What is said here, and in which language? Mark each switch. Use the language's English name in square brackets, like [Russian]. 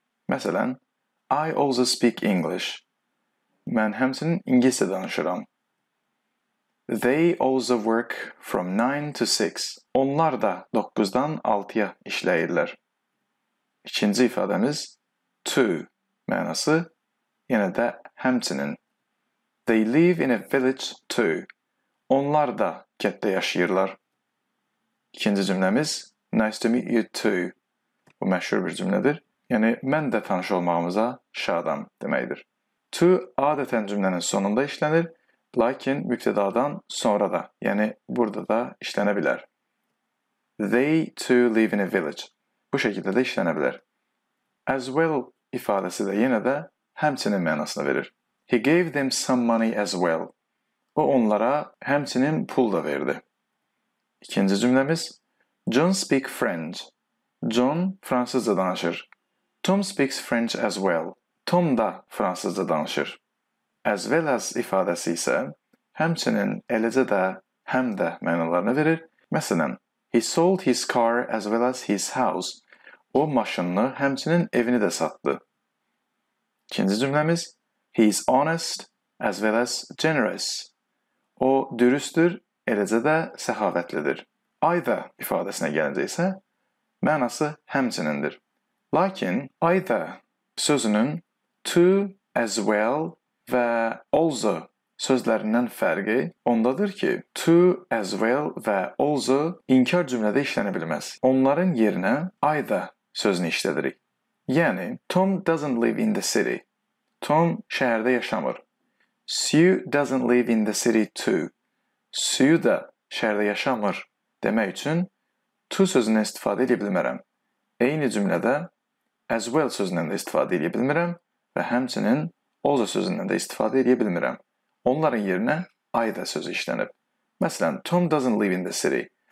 [Azerbaijani] Məsələn, [English] I also speak English. [Azerbaijani] Mən həmçinin ingiliscə danışıram. [English] They also work from 9 to 6. [Azerbaijani] Onlar da 9-dan 6-ya işləyirlər. İkinci ifadəmiz to. Mənası yenə də həmçinin. [English] They live in a village too. [Azerbaijani] Onlar da kənddə yaşayırlar. İkinci cümləmiz, [English] nice to meet you too. [Azerbaijani] Bu məşhur bir cümlədir. Yəni, mən də tanış olmağımıza şadam deməkdir. To adətən cümlənin sonunda işlənir, lakin mübtədadan sonra da, yəni burada da işlənə bilər. [English] They too live in a village. [Azerbaijani] Bu şəkildə də işlənə bilər. As well ifadəsi də yenə də həmçinin mənasını verir. [English] He gave them some money as well. [Azerbaijani] O onlara həmçinin pul da verdi. İkinci cümləmiz, [English] John speaks French. [Azerbaijani] John fransızca danışır. [English] Tom speaks French as well. [Azerbaijani] Tom da fransızca danışır. As well as ifadəsi isə həmçinin eləcə də həm də mənalarını verir. [English] Məsələn, he sold his car as well as his house. [Azerbaijani] O maşınını həmçinin evini də satdı. İkinci cümləmiz, [English] he is honest as well as generous. [Azerbaijani] O dürüstdür. Eləcə də səxavətlidir. Either ifadəsinə gəlincə isə mənası həmçinindir. Lakin either sözünün to, as well və also sözlərindən fərqi ondadır ki, to, as well və also inkar cümlədə işlənə bilməz. Onların yerinə either sözünü işlədirik. [English] Yəni, Tom doesn't live in the city. [Azerbaijani] Tom şəhərdə yaşamır. [English] Sue doesn't live in the city too. [Azerbaijani] Sue da şəhərdə yaşamır demək üçün to sözündən istifadə edə bilmərəm. Eyni cümlədə as well sözündən də istifadə edə bilmirəm və həmçinin also sözündən də istifadə edə bilmirəm. Onların yerinə either sözü işlənib. Məsələn, [English] Tom doesn't live in the city.